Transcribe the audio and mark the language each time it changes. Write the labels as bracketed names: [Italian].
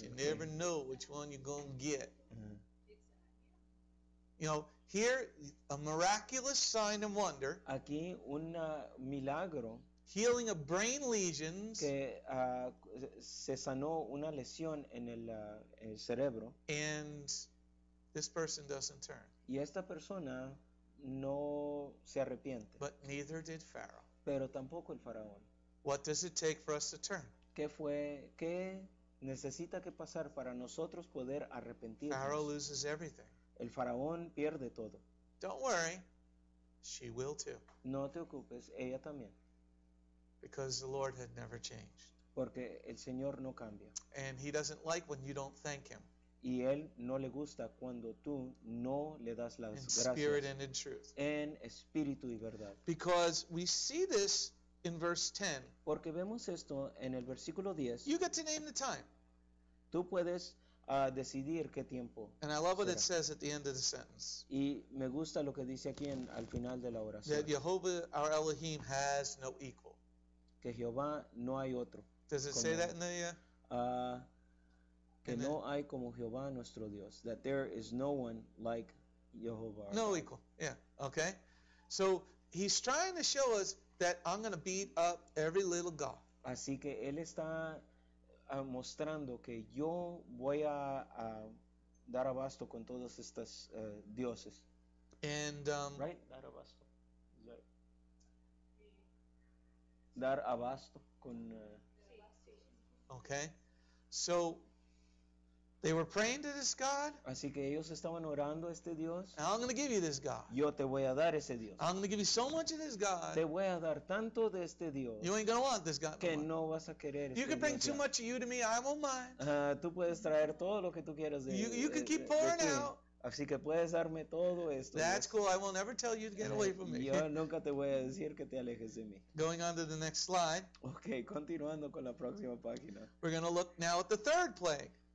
[English] You never know which one you're going to get. You know, here, a miraculous sign and wonder. [Spanish] Aquí, un milagro. [English] Healing of brain lesions. [Spanish] Que se sanó una lesión en el cerebro. [English] And this person doesn't turn. [Spanish] Y esta persona no se arrepiente. [English] But neither did Pharaoh. [Spanish] Pero tampoco el faraón. [English] What does it take for us to turn? [Spanish] ¿Qué necesita que pasar para nosotros poder arrepentirnos? [English] Pharaoh loses everything. [Spanish] El faraón pierde todo. [English] Don't worry. She will too. [Spanish] No te ocupes, ella también. [English] Because the Lord had never changed. [Spanish] Porque el Señor no cambia. [English] And he doesn't like when you don't thank him. [Spanish] Y él no le gusta cuando tú no le das las [English] in [Spanish] gracias. [English] Spirit and in truth. [Spanish] En espíritu y verdad. [English] Because we see this in verse 10. [Spanish] Porque vemos esto en el versículo 10. [English] You get to name the time. [Spanish] Tú puedes decidir qué tiempo. [English] And I love what it says at the end of the sentence. [Spanish] Y me gusta lo que dice aquí al final de la oración. [English] That Jehovah our Elohim has no equal. [Spanish] Que Jehová no hay otro. [English] Does it say that in the [Spanish] que no hay como Jehová nuestro Dios. [English] That there is no one like Jehovah. No equal. Yeah. Okay. So he's trying to show us that I'm going to beat up every little god. [Spanish] Así que él está mostrando que yo voy a dar abasto con todos estos dioses. [English] And [Spanish] right? Dar abasto. Dar abasto con. [English] Okay. So they were praying to this God. [Spanish] Así que ellos estaban orando a este Dios. [English] And I'm going to give you this God. [Spanish] Yo te voy a dar ese Dios. [English] I'm going to give you so much of this God. [Spanish] Te voy a dar tanto de este Dios. [English] You ain't going to want this God. [Spanish] Que no vas a querer. [English] You can bring too much of you to me. I won't mind. [Spanish] Tú puedes traer todo lo que tú quieras de mí. [English] You can keep pouring out. [Spanish] Así que puedes darme todo esto. [English] That's cool. I will never tell you to get away from me. [Spanish] Yo nunca te voy a decir que te alejes de mí. [English] Going on to the next slide. [Spanish] Okay, continuando con la próxima página. [English] We're going to look now at the third plague.